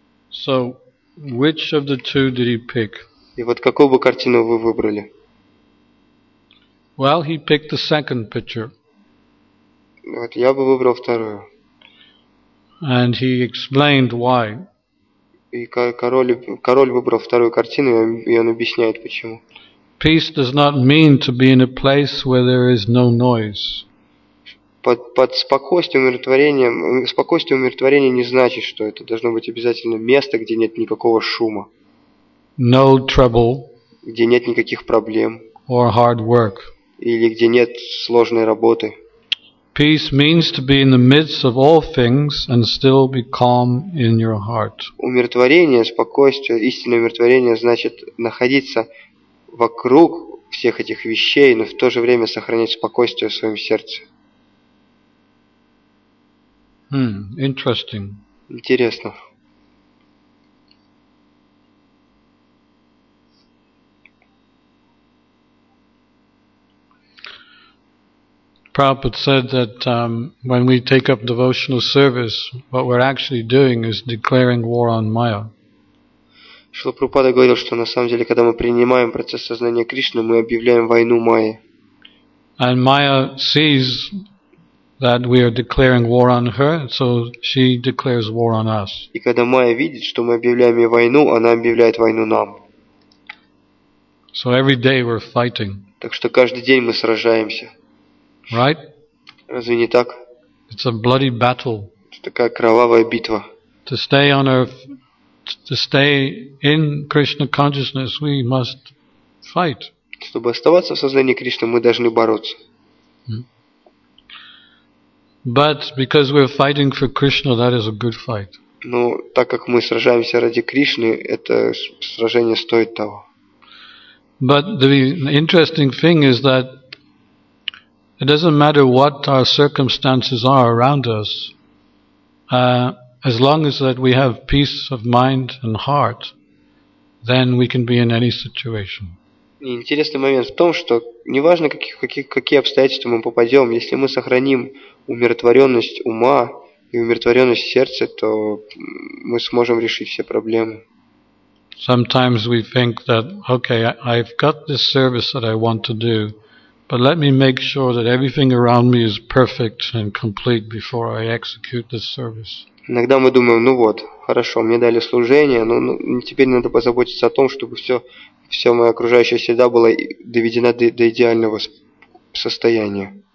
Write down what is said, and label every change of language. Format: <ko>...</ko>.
<en>So, which of the two did he pick?</en> <ru>И вот какую бы картину вы выбрали?</ru> <en>Well, he picked the second picture.</en> <ru>Вот я бы выбрал вторую.</ru> <en>And he explained why.</en> <ru>И король выбрал вторую картину, и он объясняет почему.</ru> <en>Peace does not mean to be in a place where there is no noise.</en> <ru>Под спокойствие умиротворение не значит, что это должно быть обязательно место, где нет никакого шума.</ru> <en>No trouble.</en> <ru>Где нет никаких проблем.</ru> <en>Or hard work.</en> <ru>Или где нет сложной работы.</ru> <en>Peace means to be in the midst of all things and still be calm in your heart.</en> <ru>Умиротворение, спокойствие, истинное умиротворение значит находиться вокруг всех этих вещей, но в то же время сохранять спокойствие в своем сердце.</ru> <en>Interesting.</en> <ru>Интересно.</ru> <en>Prabhupada said that when we take up devotional service, what we're actually doing is declaring war on Maya.</en> <ru>Шрила Прабхупада говорил, что на самом деле, когда мы принимаем процесс сознания Кришны, мы объявляем войну Майе.</ru> <en>And Maya sees that we are declaring war on her, so she declares war on us.</en> <ru>И когда Майя видит, что мы объявляем ей войну, она объявляет войну нам.</ru> <en>So every day we're fighting.</en> <ru>Так что каждый день мы сражаемся.</ru> <en>Right?</en> <ru>Разве не так?</ru> <en>It's a bloody battle.</en> <ru>Это такая кровавая битва.</ru> <en>To stay on earth, to stay in Krishna consciousness, we must fight.</en> <ru>Чтобы оставаться в сознании Кришны, мы должны бороться.</ru> <en>But because we're fighting for Krishna, that is a good fight.</en> <ru>Но так как мы сражаемся ради Кришны, это сражение стоит того.</ru> <en>But the interesting thing is that it doesn't matter what our circumstances are around us, as long as that we have peace of mind and heart, then we can be in any situation.</en> <ru>Интересный момент в том, что неважно какие обстоятельства мы попадем, если мы сохраним умиротворенность ума и умиротворенность сердца, то мы сможем решить все проблемы.</ru> <en>Sometimes we think that, okay, I've got this service that I want to do, but let me make sure that everything around me is perfect and complete before I execute this service.</en> <ru>Иногда мы думаем, ну вот, хорошо, мне дали служение, но теперь надо позаботиться о том, чтобы все моя окружающая среда была доведена до идеального состояния.</ru>